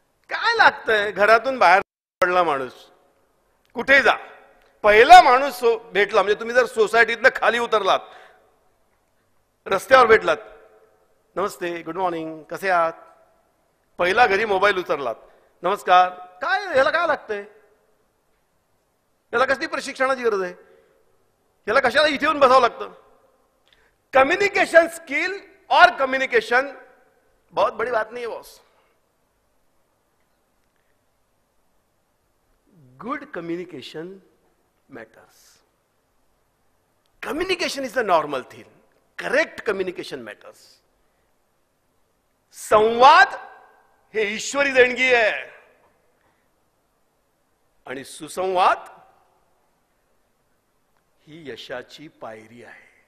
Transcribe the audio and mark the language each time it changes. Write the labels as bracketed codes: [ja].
[mr] काय लागतंय घरातून बाहेर पडला माणूस, कुठे जा, पहिला माणूस भेटला म्हणजे तुम्ही जर सोसायटीतनं खाली उतरलात, रस्त्यावर भेटलात, नमस्ते, गुड मॉर्निंग, कसे आहात, पहिला घरी मोबाईल उतरलात, नमस्कार, काय याला काय लागतंय, याला कसली प्रशिक्षणाची गरज आहे, याला कशाला इथे येऊन बसावं लागतं? [hi] कम्युनिकेशन स्किल और कम्युनिकेशन बहुत बड़ी बात नहीं है boss. [en] Good communication matters. Communication is the normal thing, correct communication matters. [mr] संवाद हे ईश्वरी देणगी आहे आणि सुसंवाद ही यशाची पायरी आहे.